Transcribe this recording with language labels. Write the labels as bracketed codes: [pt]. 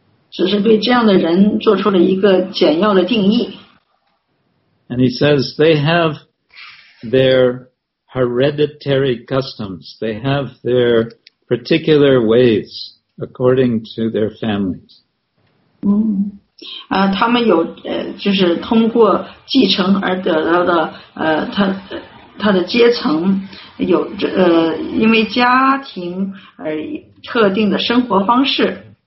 [zh] 只是对这样的人做出了一个简要的定义。 [en] And he says they have their hereditary customs. They have their particular ways according to their families. [zh] 他们有就是通过继承而得到的他的阶层有因为家庭而特定的生活方式。